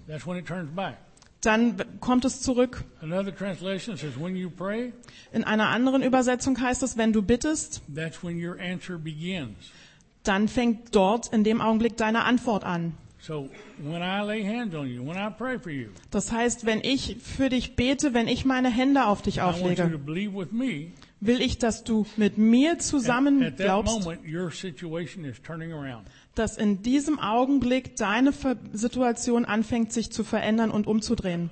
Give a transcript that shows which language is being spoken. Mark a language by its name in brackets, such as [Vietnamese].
[English] that's when it turns back. [German] Dann kommt es zurück. [English] Another translation says, when you pray, [German] in einer anderen Übersetzung heißt es, wenn du bittest, [English] that's when your answer begins. [German] Dann fängt dort in dem Augenblick deine Antwort an. [English] So when I lay hands on you, when I pray for you, [German] das heißt, wenn ich für dich bete, wenn ich meine Hände auf dich auflege, [English] I want you to believe with me, [German] will ich, dass du mit mir zusammen [English] at that [German] glaubst, [English] moment, your situation is turning around. [German] Dass in diesem Augenblick deine Situation anfängt, sich zu verändern und umzudrehen.